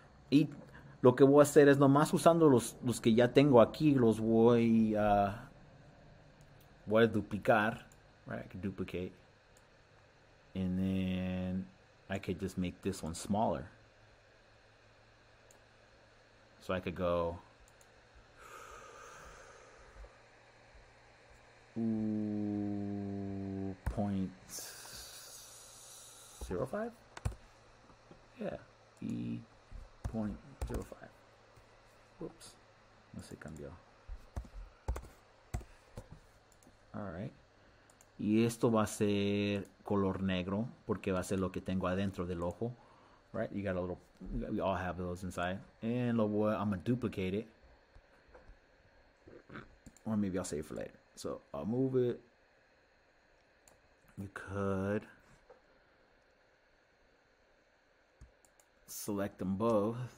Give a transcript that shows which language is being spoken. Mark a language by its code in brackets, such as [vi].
[es] Y lo que voy a hacer es nomás usando los que ya tengo aquí, los voy a duplicar, right? [en] I can duplicate. And then I could just make this one smaller. So I could go. Ooh, 0.05? Yeah. E 0.05. Whoops. Let's see, cambio. All right. [es] Y esto va a ser color negro porque va a ser lo que tengo adentro del ojo. [en] Right, you got a little, we all have those inside. And [es] lo voy, [en] I'm gonna duplicate it. Or maybe I'll save it for later. So I'll move it. You could select them both.